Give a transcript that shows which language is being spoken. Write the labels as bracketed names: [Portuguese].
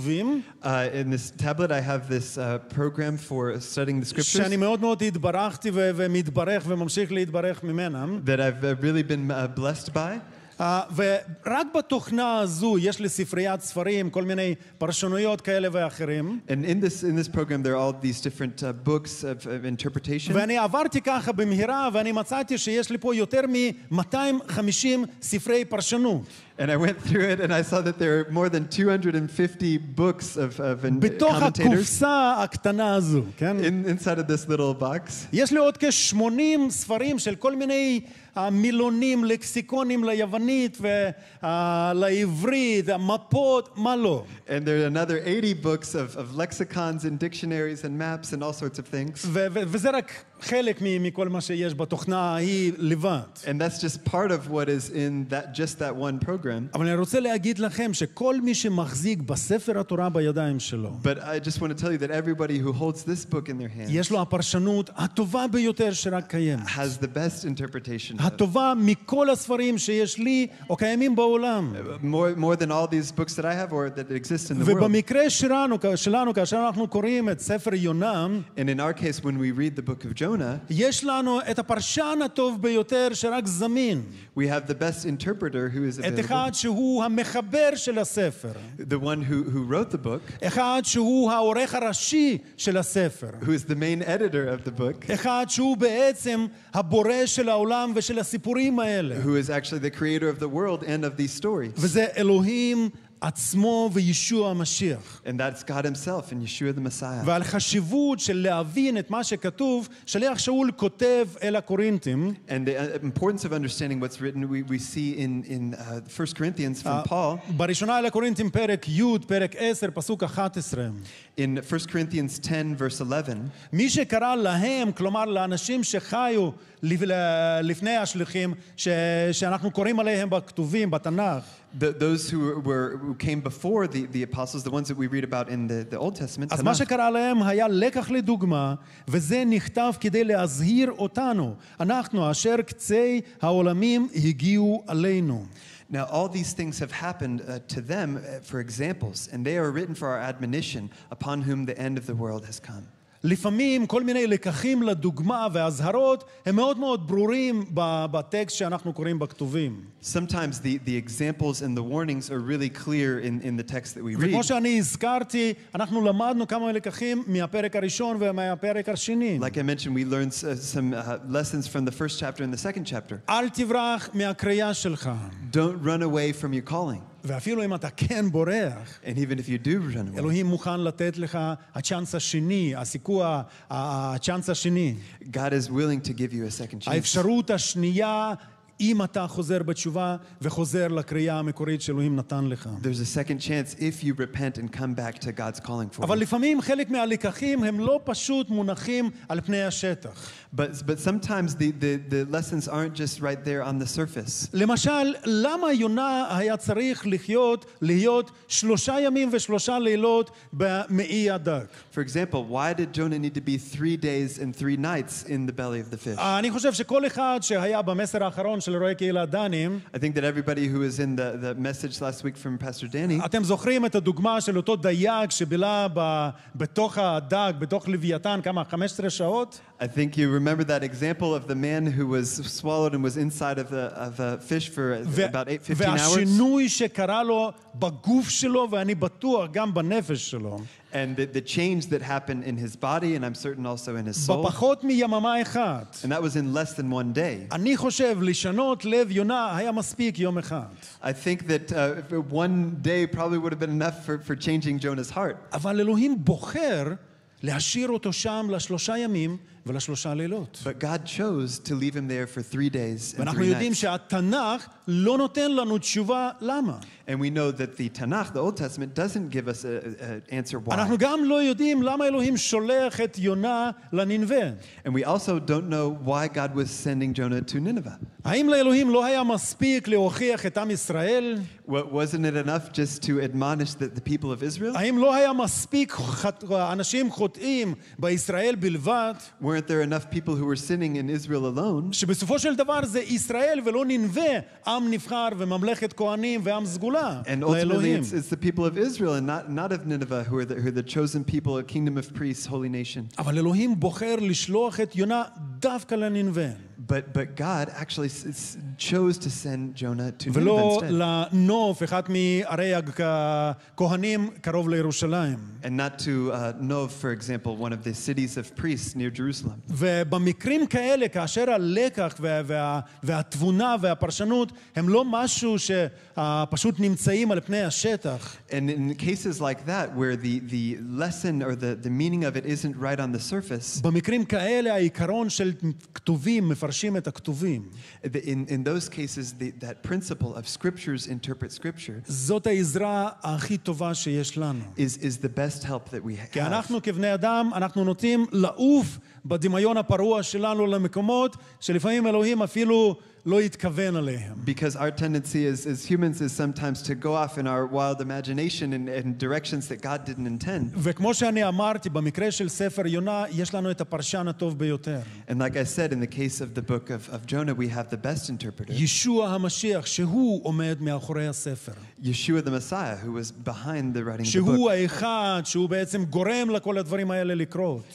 [English] In this tablet I have this program for studying the scriptures. [Hebrew] שאני מאוד מאוד התברכתי ומתברך וממשיך להתברך ממנה. [English] That I've really been blessed by. [Hebrew] ורק בתוכנה הזו יש לי ספריית ספרים, כל מיני פרשנויות כאלה ואחרים. [English] And in this program there are all these different books of interpretation. [Hebrew] ואני עברתי ככה במהירה ואני מצאתי שיש לי פה יותר מ-250 ספרי פרשנות. [English] And I went through it and I saw that there are more than 250 books of [Hebrew] בתוך הקופסה הקטנה הזו, כן? [English] Inside of this little box. [Hebrew] יש לי עוד כ-80 ספרים של כל מיני מילונים, לקסיקונים ליוונית ולעברית, מפות, מה לא. [English] And there are another 80 books of lexicons and dictionaries and maps and all sorts of things. [Hebrew] וזה רק חלק מכל מה שיש בתוכנה ההיא לבד. [English] And that's just part of what is in that one program. [Hebrew] אבל אני רוצה להגיד לכם שכל מי שמחזיק בספר התורה בידיים שלו, [English] but I just want to tell you that everybody who holds this book in their hands, [Hebrew] יש לו הפרשנות הטובה ביותר שרק קיימת. [English] Has the best interpretation. [Hebrew] הטובה מכל הספרים שיש לי או קיימים בעולם. [English] More than all these books that I have or that exist in the world. [Hebrew] ובמקרה שלנו, כאשר אנחנו קוראים את ספר יונה, [English] and in our case when we read the book of Jonah, [Hebrew] יש לנו את הפרשן הטוב ביותר שרק זמין. [English] We have the best interpreter who is available. [Hebrew] את אחד שהוא המחבר של הספר. [English] The one who wrote the book. [Hebrew] אחד שהוא העורך הראשי של הספר. [English] Who is the main editor of the book. [Hebrew] אחד שהוא בעצם הבורא של העולם ושל הסיפורים האלה. [English] Who is actually the creator of the world and of these stories. [Hebrew] וזה אלוהים עצמו וישוע המשיח. [English] And that's God himself and Yeshua the Messiah. [Hebrew] ועל חשיבות של להבין את מה שכתוב, שליח שאול כותב אל הקורינתים. [English] And the importance of understanding what's written we see in 1 Corinthians from Paul. [Hebrew] בראשונה אל הקורינתים פרק י' פרק 10 פסוק 11. [English] In 1 Corinthians 10 verse 11. [Hebrew] מי שקרא להם, כלומר לאנשים שחיו לפני השליחים שאנחנו קוראים עליהם בכתובים בתנ"ך, [English] those who came before the apostles, the ones that we read about in the Old Testament. [Hebrew] אז מה שקרה להם היה לקח לדוגמה, וזה נכתב כדי להזהיר אותנו, אנחנו אשר קצי העולמים הגיעו עלינו. [English] Now all these things have happened to them for examples, and they are written for our admonition, upon whom the end of the world has come. [Hebrew] לפעמים כל מיני לקחים לדוגמה והזהרות הם מאוד מאוד ברורים בטקסט שאנחנו קוראים בכתובים. [English] Sometimes the examples and the warnings are really clear in the text that we read. [Hebrew] וכמו שאני הזכרתי, אנחנו למדנו כמה לקחים מהפרק הראשון ומהפרק השני. [English] Like I mentioned, we learned some lessons from the first chapter and the second chapter. [Hebrew] אל תברח מהקריאה שלך. [English] Don't run away from your calling. [Hebrew] ואפילו אם אתה כן בורח, [English] and even if you do run away, [Hebrew] אלוהים מוכן לתת לך הצ'אנס השני, הסיכוי, הצ'אנס השני. [English] God is willing to give you a second chance. [Hebrew] האפשרות השנייה, אם אתה חוזר בתשובה וחוזר לקריאה המקורית שאלוהים נתן לך. [English] There's a second chance if you repent and come back to God's calling for you. [Hebrew] אבל לפעמים חלק מהלקחים הם לא פשוט מונחים על פני השטח. [English] But sometimes the lessons aren't just right there on the surface. [Hebrew] למשל, למה יונה היה צריך להיות שלושה ימים ושלושה לילות במעי הדג? [English] For example, why did Jonah need to be 3 days and 3 nights in the belly of the fish? [Hebrew] אני חושב שכל אחד שהיה במסר האחרון של רואי קהילה דנים, [English] I think that everybody who was in the message last week from Pastor Danny, [Hebrew] אתם זוכרים את הדוגמה של אותו דייג שבילה בתוך הדג, בתוך לוויתן, כמה? 15 שעות? [English] I think you remember that example of the man who was swallowed and was inside of a fish for about 15 hours. [Hebrew] והשינוי שקרה לו בגוף שלו ואני בטוח גם בנפש שלו. [English] And the change that happened in his body, and I'm certain also in his soul. [Hebrew] בפחות מיממה אחת. [English] And that was in less than one day. [Hebrew] אני חושב לשנות לב יונה היה מספיק יום אחד. [English] I think that one day probably would have been enough for changing Jonah's heart. [Hebrew] אבל אלוהים בוחר להשאיר אותו שם לשלושה ימים ולשלושה לילות. [English] But God chose to leave him there for 3 days and 3 nights. [Hebrew] ואנחנו יודעים שהתנ"ך לא נותן לנו תשובה למה. [English] And we know that the Tanakh, the Old Testament, doesn't give us an answer why. [Hebrew] אנחנו גם לא יודעים למה אלוהים שולח את יונה לנינווה. [English] And we also don't know why God was sending Jonah to Nineveh. [Hebrew] האם לאלוהים לא היה מספיק להוכיח את עם ישראל? [English] Wasn't it enough just to admonish the people of Israel? [Hebrew] האם לא היה מספיק אנשים חוטאים בישראל בלבד? [English] Weren't there enough people who were sinning in Israel alone? [Hebrew] שבסופו של דבר זה ישראל ולא נינווה, עם נבחר וממלכת כהנים ועם סגולה לאלוהים. [English] And ultimately it's the people of Israel and not of Nineveh who are the chosen people, a kingdom of priests, holy nation. [Hebrew] אבל אלוהים בוחר לשלוח את יונה דווקא לנינווה. [English] But God actually chose to send Jonah to Nineveh instead. And not to Nov, for example, one of the cities of priests near Jerusalem. [Hebrew] ובמקרים כאלה, כאשר הלקח והתבונה והפרשנות הם לא משהו שפשוט נמצאים על פני השטח. [English] And in cases like that, where the lesson or the meaning of it isn't right on the surface, [Hebrew] במקרים כאלה, העיקרון של כתובים מפרשים את הכתובים. [English] In those cases, that principle of scriptures interpret scripture, [Hebrew] זאת העזרה הכי טובה שיש לנו. [English] Is the best help that we have. [Hebrew] כי אנחנו כבני אדם, אנחנו נוטים לעוף בדמיון הפרוע שלנו למקומות שלפעמים אלוהים אפילו לא התכוון עליהם. [English] Because our tendency as humans is sometimes to go off in our wild imagination in directions that God didn't intend. [Hebrew] וכמו שאני אמרתי, במקרה של ספר יונה, יש לנו את הפרשן הטוב ביותר. [English] And like I said, in the case of the book of Jonah, we have the best interpreter. [Hebrew] ישוע המשיח, שהוא עומד מאחורי הספר. [English] Yeshua the Messiah, who was behind the writing of [Hebrew] שהוא האחד, שהוא בעצם גורם לכל הדברים האלה לקרות.